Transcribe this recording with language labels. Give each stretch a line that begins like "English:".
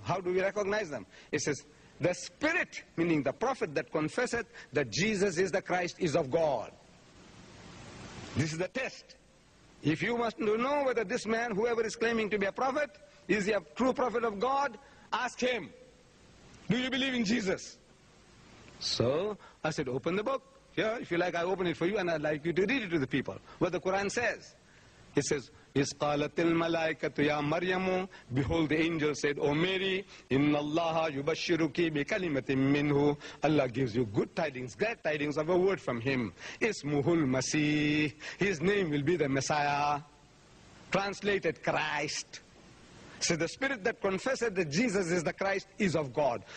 English: How do we recognize them? It says, the spirit, meaning the prophet that confesseth that Jesus is the Christ, is of God. This is the test. If you must know whether this man, whoever is claiming to be a prophet, is he a true prophet of God, ask him, do you believe in Jesus? So, I said, open the book. Here, if you like, I open it for you, and I'd like you to read it to the people. What the Quran says. It says,
Arabic: إِسْقَالَتِ الْمَلَائِكَةُ يَا مَرْيَمُ.
English: Behold, the angel said, O Mary,
Arabic: إِنَّ اللَّهَ يُبَشِّرُكِ بِكَلِمَةٍ مِّنْهُ.
English: Allah gives you good tidings, glad tidings of a word from him.
Arabic: إِسْمُهُ الْمَسِيحِ.
English: His name will be the Messiah. Translated, Christ. So the spirit that confesseth that Jesus is the Christ is of God.